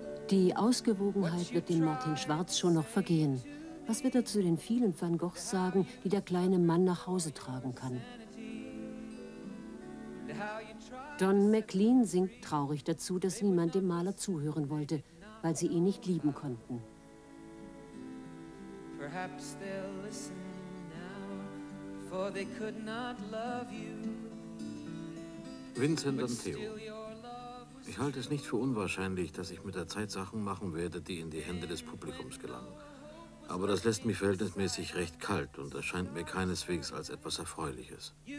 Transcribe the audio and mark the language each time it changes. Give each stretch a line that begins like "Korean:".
German: Die Ausgewogenheit wird dem Martin Schwarz schon noch vergehen. Was wird er zu den vielen Van Goghs sagen, die der kleine Mann nach Hause tragen kann? Don McLean singt traurig dazu, dass niemand dem Maler zuhören wollte, weil sie ihn nicht lieben konnten.
English: Perhaps they'll listen now, for they could not love you.
German: Vincent und Theo. Ich halte es nicht für unwahrscheinlich, dass ich mit der Zeit Sachen machen werde, die in die Hände des Publikums gelangen. Aber das lässt mich verhältnismäßig recht kalt und erscheint mir keineswegs als etwas Erfreuliches.